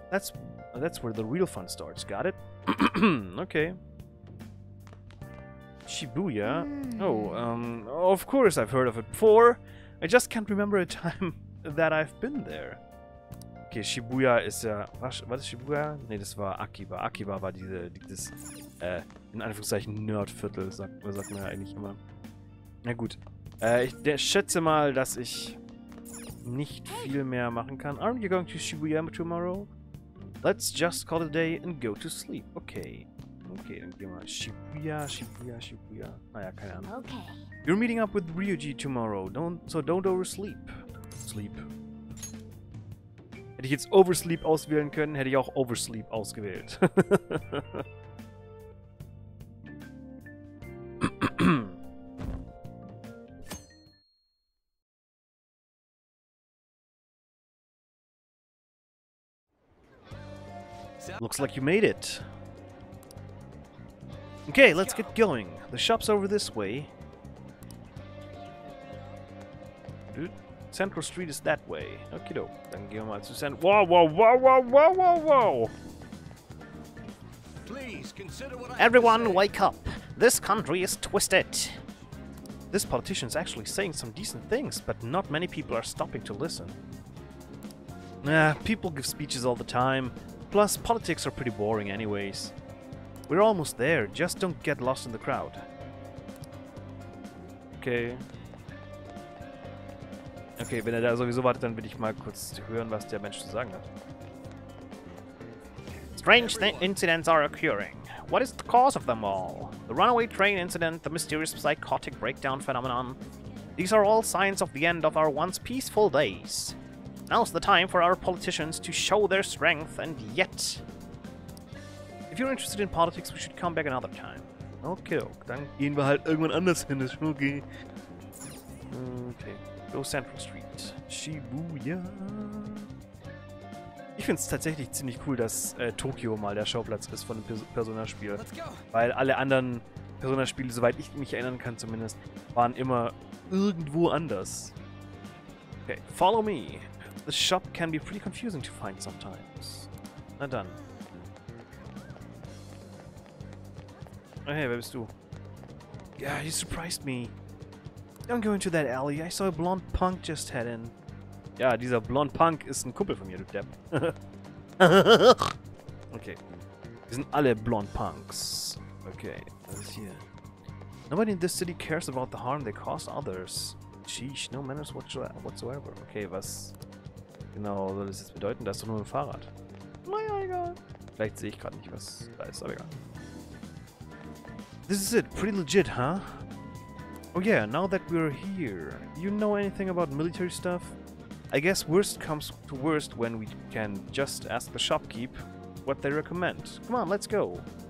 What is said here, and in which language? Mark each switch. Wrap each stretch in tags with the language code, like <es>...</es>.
<en>That's where the real fun starts, got it? Okay. Shibuya? Mm. Oh, of course I've heard of it before. I just can't remember a time that I've been there.</en> <de>Okay, Shibuya ist ja... Was ist Shibuya? Ne, das war Akiba. Akiba war in Anführungszeichen Nerdviertel, sagt man ja eigentlich immer. Na gut. Ich schätze mal, dass ich nicht viel mehr machen kann.</de> <en>Aren't you going to Shibuya tomorrow? Let's just call it a day and go to sleep.</en> <de>Okay. Okay, dann gehen wir Shibuya. Naja, keine Ahnung. Okay.</de> <en>You're meeting up with Ryuji tomorrow, so don't oversleep. Sleep.</en> <de>Hätte ich jetzt Oversleep auswählen können, hätte ich auch Oversleep ausgewählt.</de> <en>Looks like you made it. Okay, let's get going. The shop's over this way. Central Street is that way. Okie doke. Then give him out to send. Whoa, whoa, whoa, whoa, whoa, whoa, whoa! Please consider what I Everyone, have to say. Wake up! This country is twisted! This politician's actually saying some decent things, but not many people are stopping to listen. People give speeches all the time. Plus, politics are pretty boring, anyways. We're almost there, just don't get lost in the crowd. Okay.</en> <de>Okay, wenn er da sowieso wartet, dann will ich mal kurz hören, was der Mensch zu sagen hat.</de> <en>Strange incidents are occurring. What is the cause of them all? The runaway train incident, the mysterious psychotic breakdown phenomenon. These are all signs of the end of our once peaceful days. Now's the time for our politicians to show their strength, and yet... If you're interested in politics, we should come back another time. Okay,</en> <de>dann gehen wir halt irgendwann anders hin, ist schon okay.</de> <en>Okay. Go Central Street. Shibuya.</en> <de>Ich find's tatsächlich ziemlich cool, dass Tokio mal der Schauplatz ist von dem Persona-Spiel. Weil alle anderen Persona-Spiele, soweit ich mich erinnern kann zumindest, waren immer irgendwo anders.</de> <en>Okay, follow me. The shop can be pretty confusing to find sometimes.</en> <de>Na dann. Hey, wer bist du?</de> <en>Yeah, you surprised me. Don't go into that alley. I saw a blonde punk just head in.</en> <de>Ja, dieser blonde Punk ist ein Kumpel von mir, du Depp. Okay. Wir sind alle blonde Punks. Okay, was ist hier?</de> <en>Nobody in this city cares about the harm they cause others. Sheesh, no manners whatsoever.</en> <de>Okay, was genau soll das jetzt bedeuten? Da ist doch nur ein Fahrrad. Naja, egal. Vielleicht sehe ich gerade nicht, was da ist, aber egal.</de> <en>This is it. Pretty legit, huh? Oh yeah, now that we're here, you know anything about military stuff? I guess worst comes to worst when we can just ask the shopkeep what they recommend. Come on, let's go!</en>